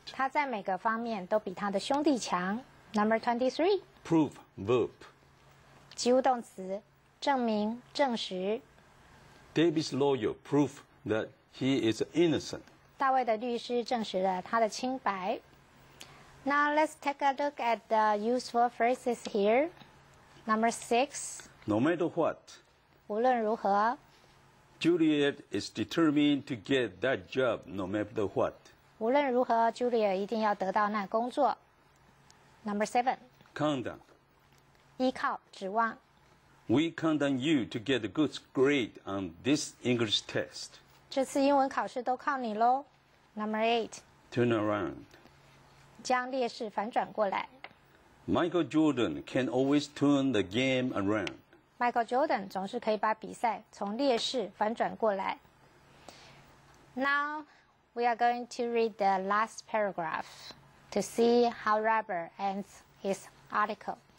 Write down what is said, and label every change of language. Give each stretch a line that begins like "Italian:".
Chinese: 她在每个方面都比她的兄弟强。
English: Number 23. Prove, verb.
Chinese: 及物动词，证明，证实。
English: David's lawyer proved that he is innocent.
Chinese: 大卫的律师证实了他的清白。
English: Now let's take a look at the useful phrases here. Number 6. No matter what.
Chinese: 无论如何。
English: Juliet is determined to get that job no matter what.
Chinese: 无论如何 ,Juliet 一定要得到那工作。
English: Number 7. Count on.
Chinese: 依靠指望。
English: We count on you to get a good grade on this English test.
Chinese: 这次英文考试都靠你咯。
English: Number 8. Turn around.
Chinese: 将劣势反转过来。
English: Michael Jordan can always turn the game around.
Chinese: Michael Jordan 总是可以把比赛从劣势反转过来。
English: Now, we are going to read the last paragraph to see how Robert ends his article.